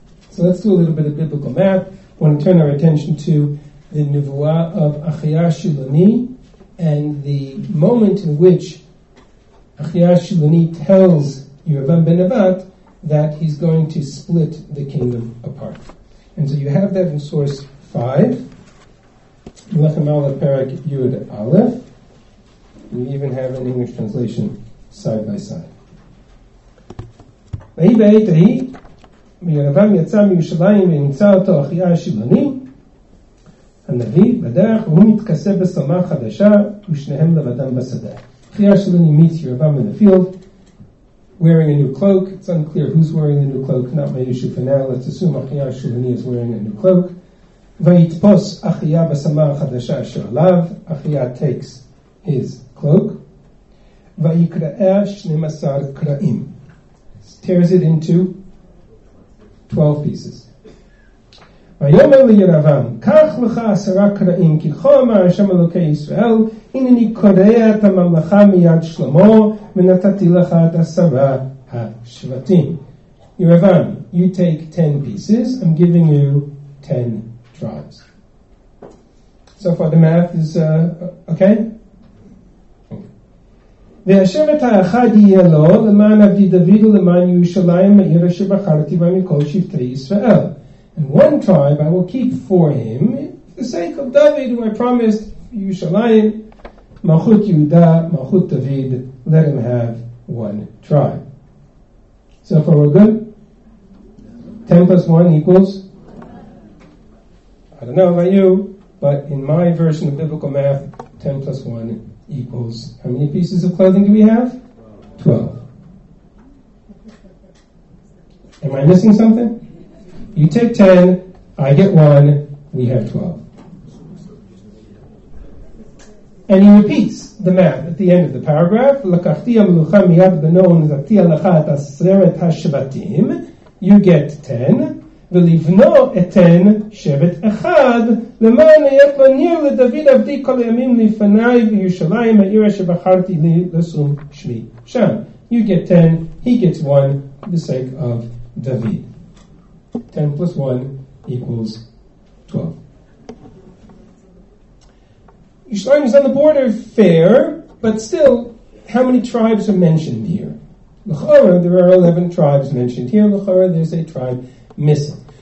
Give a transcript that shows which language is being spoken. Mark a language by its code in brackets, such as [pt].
[en] So let's do a little bit of biblical math. I want to turn our attention to the nevuah of Achiah Shiloni and the moment in which Achiah Shiloni tells Yerubam ben Nevat that he's going to split the kingdom apart. And so you have that in source 5, Melechem Aleph Perak Yud Aleph. You even have an English translation side by side. [he] ויהי בעת ההיא, וירבעם יצא מירושלים ונמצא אותו אחיה השילוני, הנביא בדרך, והוא מתכסה בשלמה חדשה, ושניהם לבדם בשדה. [en] אחיה השילוני meets ירבעם in the field, wearing a new cloak. It's unclear who's wearing the new cloak, not my issue for now. Let's assume אחיה השילוני is wearing a new cloak. [he] ויתפוס אחיה בשלמה החדשה אשר עליו, אחיה [en] takes his cloak. [he] ויקראה 12 קראים. [en] Tears it into 12 pieces. [he] ויאמר לירבעם, קח לך 10 קרעים, כי כה אמר השם אלוקי ישראל, הנה אני קורע את הממלכה מיד שלמה, ונתתי לך את 10 השבטים. [en] ירבעם, you take 10 pieces, I'm giving you 10 tribes. So far the math is okay? [he] והשבט האחד יהיה לו למען אבי דוד ולמען ירושלים העיר אשר בחרתי בה מכל שבטי ישראל. [en] And one tribe I will keep for him for the sake of David who I promised [he] ירושלים, מלכות יהודה, מלכות דוד, [en] let him have one tribe. So far we're good? 10 plus 1 equals? I don't know about you, but in my version of biblical math, 10 plus 1 equals, how many pieces of clothing do we have? 12. Am I missing something? You take 10, I get 1, we have 12. And he repeats the math at the end of the paragraph. [he] לקחתי המלוכה מיד בנו ונתתי לך את 10 השבטים. [en] You get 10. [he] ולבנו אתן שבט אחד, למען היית לו ניר לדוד עבדי כל הימים לפניי בירושלים, העיר שבחרתי לי לשום שמי שם. [en] You get 10, he gets 1, for the sake of David. 10 plus 1 equals 12. Yerushalayim is on the border, fair, but still, how many tribes are mentioned here? L'chora, there are 11 tribes mentioned here. L'chora, there's a tribe missing.